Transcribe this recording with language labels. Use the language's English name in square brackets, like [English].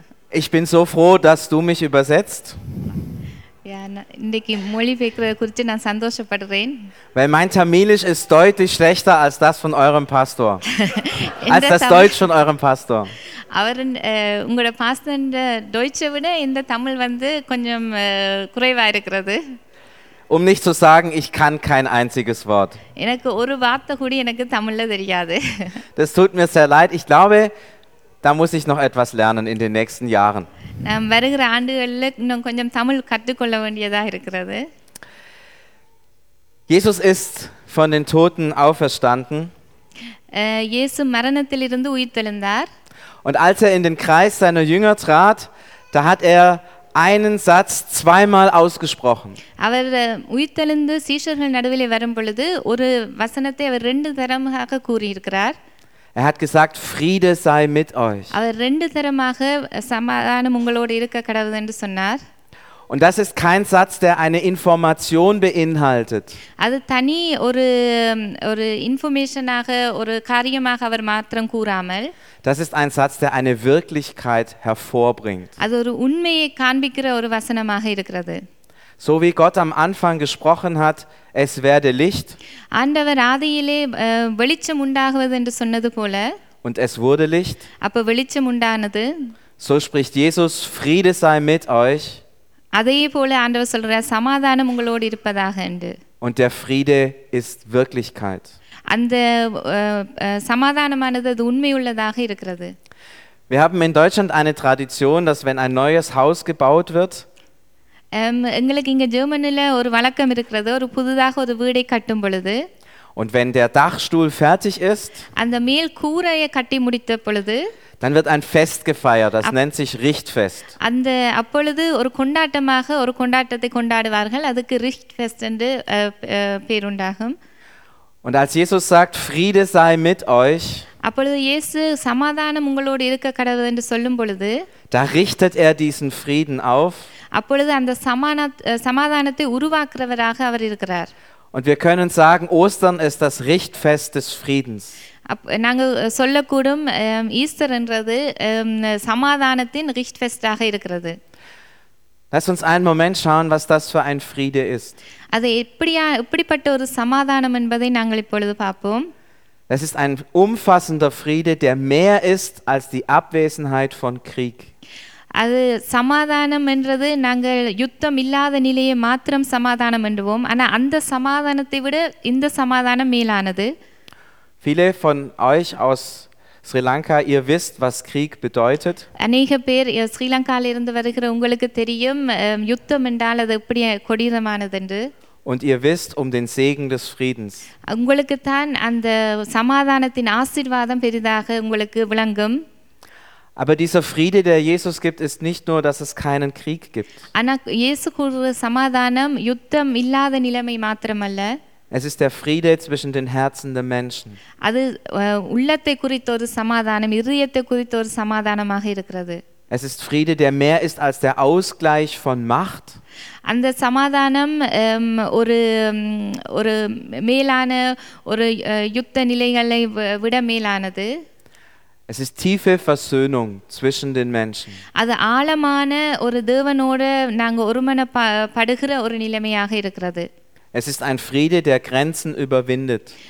[German] Ich bin so froh, dass du mich übersetzt. Weil mein Tamilisch ist deutlich schlechter als das von eurem Pastor. Als das Deutsch von eurem Pastor. [Tamil] அவரின் உங்களோட pastor டோய்ச்சை விட இந்த தமிழ் வந்து கொஞ்சம் குறைவாக இருக்கிறது. [German] Um nicht zu sagen, ich kann kein einziges Wort. [Tamil] எனக்கு ஒரு வார்த்தை கூட எனக்கு தமிழ்ல தெரியாது. [German] Das tut mir sehr leid. Ich glaube, da muss ich noch etwas lernen in den nächsten Jahren. [Tamil] நாம் வருகிற ஆண்டுகளில் இன்னும் கொஞ்சம் தமிழ் கற்றுக்கொள்ள வேண்டியதா இருக்கிறது. [German] Jesus ist von den Toten auferstanden. [Tamil] இயேசு மரணத்திலிருந்து உயிர்த்தெழுந்தார். [German] Und als er in den Kreis seiner Jünger trat, da hat er einen Satz zweimal ausgesprochen. [Tamil] அவர் உயிர்த்தெழுந்து சீஷர்கள் நடுவில் வரும்பொழுது ஒரு வசனத்தை அவர் ரெண்டு தரமாக கூறியிருக்கிறார். [German] Er hat gesagt, Friede sei mit euch. [Tamil] அவர் ரெண்டு தரமாக சமாதானம் உங்களோடு இருக்க கடவுள் என்று சொன்னார். [German] Und das ist kein Satz, der eine Information beinhaltet. [Tamil] அது தனி ஒரு ஒரு இன்ஃபர்மேஷனாக ஒரு காரியமாக அவர் மாத்திரம் கூறாமல். [German] Das ist ein Satz, der eine Wirklichkeit hervorbringt. [Tamil] அது ஒரு உண்மையை காண்பிக்கிற ஒரு வசனமாக இருக்கிறது. [German] So wie Gott am Anfang gesprochen hat, es werde Licht. [Tamil] ஆண்டவர் ஆதியிலே வெளிச்சம் உண்டாகுவது என்று சொன்னது போல. [German] Und es wurde Licht. [Tamil] அப்ப வெளிச்சம் உண்டானது. [German] So spricht Jesus, Friede sei mit euch. [Tamil] அதே போல ஆண்டவர் சொல்றார், சமாதானம் உங்களோடு இருப்பதாக என்று. [German] Und der Friede ist Wirklichkeit. [Tamil] அந்த சமாதானமானது அது உண்மையுள்ளதாக இருக்கிறது. [German] Wir haben in Deutschland eine Tradition, dass wenn ein neues Haus gebaut wird, [Tamil] எங்களுக்கு இங்க ஜெர்மனில ஒரு வழக்கம் இருக்கிறது, ஒரு புதிதாக ஒரு வீடை கட்டும் பொழுது. [German] Und wenn der Dachstuhl fertig ist, [Tamil] அந்த மேல் கூரையை கட்டி முடித்த பொழுது, [German] dann wird ein Fest gefeiert, das nennt sich Richtfest. [Tamil] அந்த அப்பொழுது ஒரு கொண்டாட்டமாக ஒரு கொண்டாட்டத்தை கொண்டாடுவார்கள், அதுக்கு Richtfest என்று பேர் உண்டாகும். [German] Und als Jesus sagt, Friede sei mit euch, [Tamil] அப்பொழுது இயேசு சமாதானம் உங்களோடு இருக்க கடவுள் என்று சொல்லும் பொழுது, [German] da richtet er diesen Frieden auf, [Tamil] அப்பொழுது அந்த சமாதானத்தை உருவாக்குறவராக அவர் இருக்கிறார். [German] Und wir können sagen, Ostern ist das Richtfest des Friedens. [Tamil] நாங்கள் சொல்லக்கூடும், ஈஸ்டர் என்றது சமாதானத்தின் ரிஷ்ட்ஃபெஸ்டாக இருக்கிறது. [German] Lass uns einen Moment schauen, was das für ein Friede ist. [Tamil] அது எப்படிப்பட்ட ஒரு சமாதானம் என்பதை நாங்கள் இப்பொழுது பார்ப்போம். [German] Das ist ein umfassender Friede, der mehr ist als die Abwesenheit von Krieg. [Tamil] அது சமாதானம் என்றது நாங்கள் யுத்தம் இல்லாத நிலையை மாத்திரம் சமாதானம் என்றுவோம், ஆனால் அந்த சமாதானத்தை விட இந்த சமாதானம் மேலானது. [German] Viele von euch aus Sri Lanka, ihr wisst, was Krieg bedeutet. [Tamil] அநேக பேர் Sri Lankaல இருந்து வருகிற உங்களுக்கு தெரியும், யுத்தம் என்றால் அது எப்படி கொடூரமானது என்று. [German] Und ihr wisst um den Segen des Friedens. [Tamil] உங்களுக்கு தான் அந்த சமாதானத்தின் ஆசீர்வாதம் பெரிதாக உங்களுக்கு விளங்கும். [German] Aber dieser Friede, der Jesus gibt, ist nicht nur, dass es keinen Krieg gibt. [Tamil] அனக்கு இயேசு கூற சமாதானம் யுத்தம் இல்லாத நிலைமை மாத்திரமல்ல. [German] Es ist der Friede zwischen den Herzen der Menschen. [Tamil] அது உள்ளத்தை குறித்த ஒரு சமாதானம், இதயத்தை குறித்த ஒரு சமாதானமாக இருக்கிறது. [German] Es ist Friede, der mehr ist als der Ausgleich von Macht. [Tamil] அந்த சமாதானம் ஒரு ஒரு மேலான ஒரு யுத்த நிலைகளை விட மேலானது. [German] Es ist tiefe Versöhnung zwischen den Menschen. [Tamil] அது ஆழமான ஒரு தேவனோடு நாங்கள் ஒருமனப்படுகிற ஒரு நிலைமையாக இருக்கிறது. [German] Es ist ein Friede, der Grenzen überwindet.